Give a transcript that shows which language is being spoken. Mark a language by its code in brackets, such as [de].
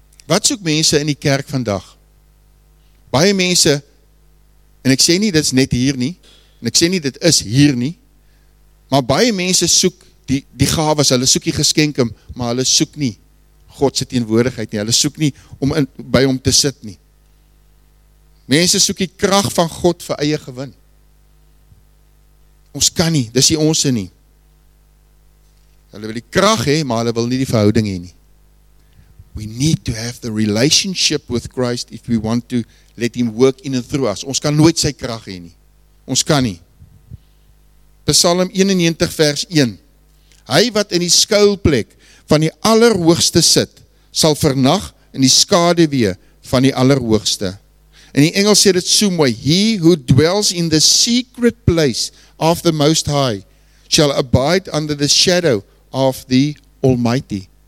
[af] Wat soek mense in die kerk vandag? Baie mense, en ek sê nie dit is net hier nie, en ek sê nie dit is hier nie, maar baie mense soek die gawes, hulle soek die geskenke, maar hulle soek nie God se teenwoordigheid nie, hulle soek nie om by hom te sit nie. Mense soek die krag van God vir eie gewin. Ons kan nie, dis die onsse nie. Hulle wil die krag hê, maar hulle wil nie die verhouding hê nie. [en] We need to have the relationship with Christ if we want to let him work in and through us. [af] Ons kan nooit sy krag hê nie. Ons kan nie. Psalm 91 vers 1. Hy wat in die skuilplek van die Allerhoogste sit, sal vernag in die skaduwee van die Allerhoogste. In die Engels sê dit so mooi, [en] he who dwells in the secret place of the Most High shall abide under the shadow of the Almighty.